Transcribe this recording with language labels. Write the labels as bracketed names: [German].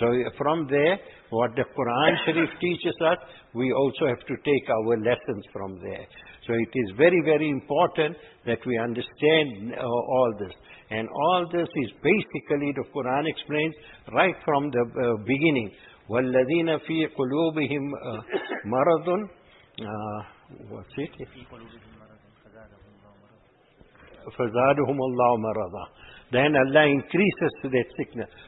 [English] So from there, what the Quran Sharif teaches us, we also have to take our lessons from there. So it is very, very important that we understand all this. And all this is basically, the Quran explains right from the beginning. [Arabic] وَالَّذِينَ فِي قُلُوبِهِمْ مَرَضٌ [English] What's it? [Arabic] فَزَادُهُمُ اللَّهُ مَرَضًا [English] Then Allah increases that sickness.